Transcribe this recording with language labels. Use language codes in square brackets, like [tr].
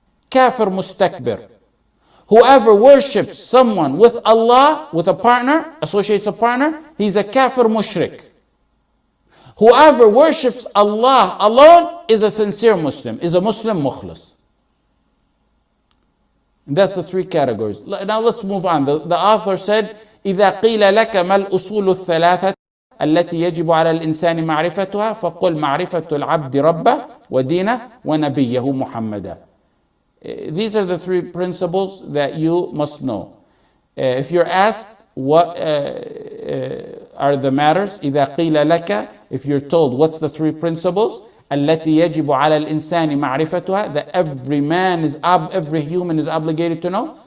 [en] Kafir mustakbir. Whoever worships someone with Allah, with a partner, associates a partner, he's a kafir mushrik. Whoever worships Allah alone is a sincere Muslim, is a Muslim mukhlas. That's the three categories. Now let's move on. [ar] The author said, إِذَا قِيلَ لَكَ مَا الْأُصُولُ الثَّلَاثَةَ الَّتِي يَجِبُ عَلَى الْإِنسَانِ مَعْرِفَتُهَا فَقُلْ مَعْرِفَةُ الْعَبْدِ رَبَّهُ وَدِينَهُ وَنَبِيَّهُ مُحَمَّدًا. [en] These are the three principles that you must know. If you're asked, What are the matters? [ar] إذا قيل لك, [en] if you're told, what's the three principles? [ar] التي يجب على الإنسان معرفتها, [en] that every human is obligated to know.